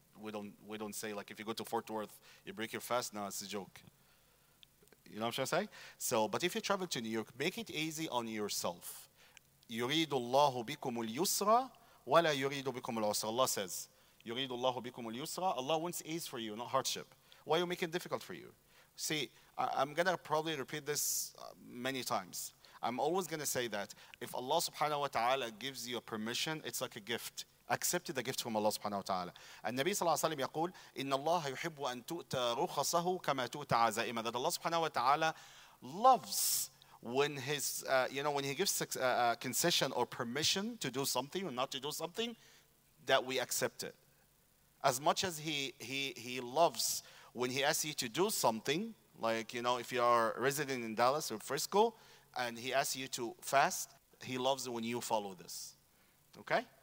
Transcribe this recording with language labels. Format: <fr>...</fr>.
<en>We don't say, like, if you go to Fort Worth, you break your fast. No, it's a joke. You know what I'm trying to say? So, but if you travel to New York, make it easy on yourself.</en> <ar>يُرِيدُ اللَّهُ بِكُمُ الْيُسْرَ وَلَا يُرِيدُ بِكُمُ الْعُسْرَ.</ar> <en>Allah says,</en> <ar>يُرِيدُ اللَّهُ بِكُمُ الْيُسْرَ.</ar> <en>Allah wants ease for you, not hardship. Why are you making it difficult for you? See, I'm going to probably repeat this many times. I'm always going to say that if Allah subhanahu wa ta'ala gives you permission, it's like a gift. Accept the gift from Allah subhanahu wa ta'ala. And Nabi sallallahu alayhi wa sallam yaqul,</en> <ar>إِنَّ اللَّهَ يُحِبُّ أَن تُؤْتَ رُخَصَهُ كَمَا تُؤْتَ عَزَائِمَ.</ar> <en>That Allah subhanahu wa ta'ala loves when his, when he gives concession or permission to do something or not to do something, that we accept it. As much as he loves when he asks you to do something, like, you know, if you are resident in Dallas or Frisco, and he asks you to fast, he loves it when you follow this. Okay?</en>